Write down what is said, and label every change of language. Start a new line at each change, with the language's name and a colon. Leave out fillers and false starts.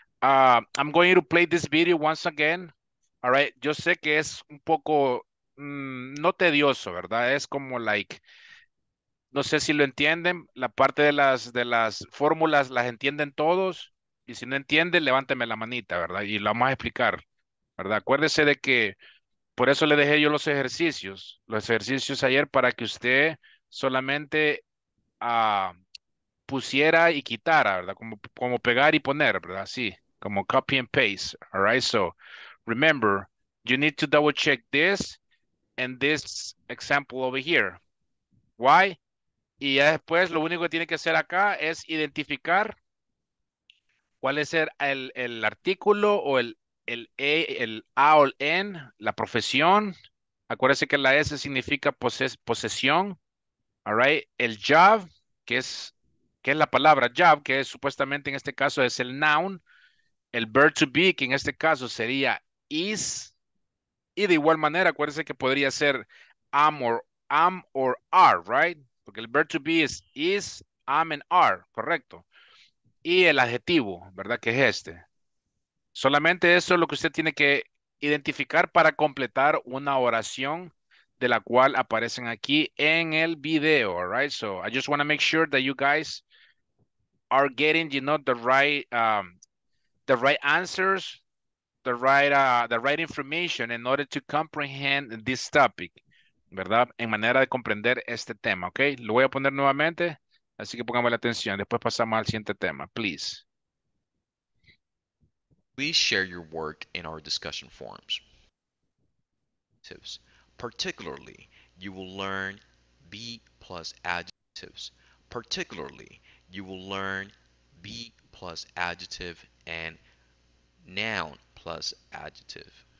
English: I'm going to play this video once again. All right.
Spanish: Yo sé que es un poco no tedioso, ¿verdad? Es como like, no sé si lo entienden. La parte de las fórmulas las entienden todos. Y si no entienden, levánteme la manita, ¿verdad? Y lo vamos a explicar, ¿verdad? Acuérdese de que por eso le dejé yo los ejercicios ayer para que usted solamente pusiera y quitara, ¿verdad? Como, como pegar y poner, ¿verdad? Sí, como
English: copy and paste, all right? So, remember, you need to double check this and this example over here. Why?
Spanish: Y ya después lo único que tiene que hacer acá es identificar cuál es el artículo o el A o el N, la profesión. Acuérdese que la S significa posesión.
English: All right.
Spanish: El job, que es la palabra job, que es, supuestamente en este caso es el noun. El verb to be, que en este caso sería is. Y de igual manera, acuérdese que podría ser
English: am or are, right?
Spanish: Porque el verb to be is, am and are, correcto. Y el adjetivo, ¿verdad? Que es este. Solamente eso es lo que usted tiene que identificar para completar una oración de la cual aparecen aquí en el video,
English: all right? So I just want to make sure that you guys are getting, you know, the right answers, the right information in order to comprehend this topic, ¿verdad?
Spanish: En manera de comprender este tema, ¿ok? Lo voy a poner nuevamente, así que pongamos la atención. Después pasamos al siguiente tema, please.
English: Please share your work in our discussion forums. Tips. Particularly, you will learn B plus adjectives. Particularly, you will learn B plus adjective and noun plus adjective.